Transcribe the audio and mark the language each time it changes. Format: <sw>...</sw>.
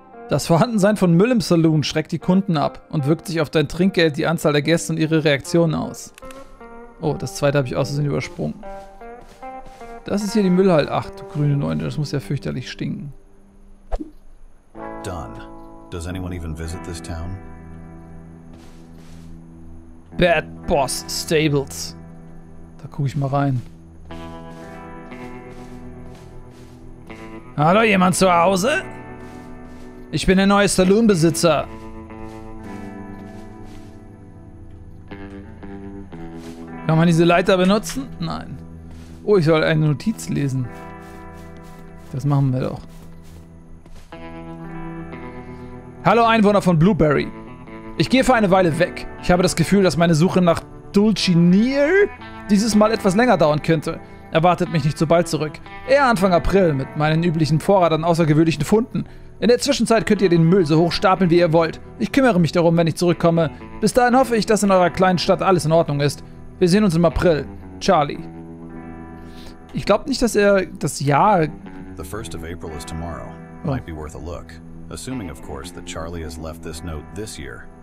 <de>Das Vorhandensein von Müll im Saloon schreckt die Kunden ab und wirkt sich auf dein Trinkgeld, die Anzahl der Gäste und ihre Reaktionen aus. Oh, das zweite habe ich aus Versehen übersprungen. Das ist hier die Müllhalde. Ach, du grüne Neune, das muss ja fürchterlich stinken.</de> <en>Done. Does anyone even visit this town?</en> <de>Bad Boss Stables. Da gucke ich mal rein. Hallo, jemand zu Hause? Ich bin der neue Saloonbesitzer. Kann man diese Leiter benutzen? Nein. Oh, ich soll eine Notiz lesen. Das machen wir doch. Hallo, Einwohner von Blueberry. Ich gehe für eine Weile weg. Ich habe das Gefühl, dass meine Suche nach Dulcinea dieses Mal etwas länger dauern könnte. erwartet mich nicht so bald zurück. Eher Anfang April mit meinen üblichen Vorrat an außergewöhnlichen Funden. In der Zwischenzeit könnt ihr den Müll so hoch stapeln, wie ihr wollt. Ich kümmere mich darum, wenn ich zurückkomme. Bis dahin hoffe ich, dass in eurer kleinen Stadt alles in Ordnung ist. Wir sehen uns im April. Charlie. Ich glaube nicht, dass er das Jahr...</de> <en>The 1st of April is tomorrow. Might be worth a look. Assuming, of course, that Charlie has left this note this year.</en>